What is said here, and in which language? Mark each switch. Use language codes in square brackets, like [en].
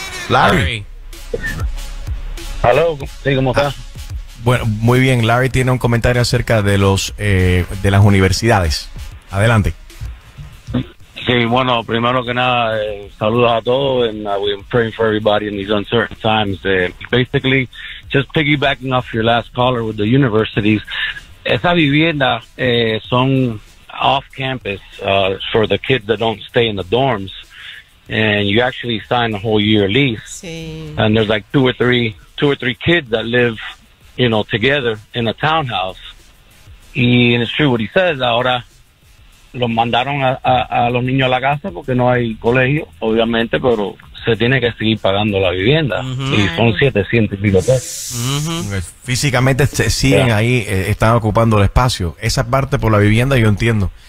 [es] Larry. Aló, sí, ¿cómo está? Bueno, muy bien. Larry tiene un comentario acerca de los de las universidades. Adelante. Sí, bueno, primero que nada, saludos a todos. [en] And we're praying for everybody in these uncertain times. Basically, just piggybacking off your last caller with the universities, [es] esa vivienda son [en] off campus for the kids that don't stay in the dorms. And you actually sign a whole year lease. [es] Sí. [en] And there's like two or three kids that live, you know, together in a townhouse. Y it's true what he says. [es] Ahora los mandaron a los niños a la casa porque no hay colegio, obviamente, pero se tiene que seguir pagando la vivienda. Uh-huh. Y son 700 y pico pesos. Uh-huh. Físicamente siguen ahí, están ocupando el espacio. Esa parte por la vivienda yo entiendo.